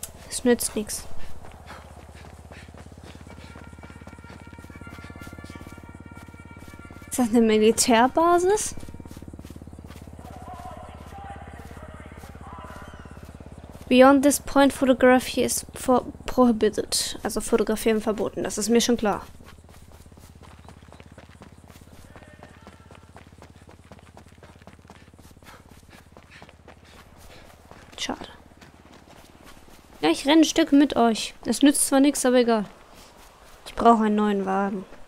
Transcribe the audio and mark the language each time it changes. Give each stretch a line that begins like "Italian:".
German: Es nützt nichts. Ist das eine Militärbasis?
English: Beyond this point, photography is prohibited.
German: Also fotografieren verboten, das ist mir schon klar. Ich renne ein Stück mit euch. Es nützt zwar nichts, aber egal. Ich brauche einen neuen Wagen.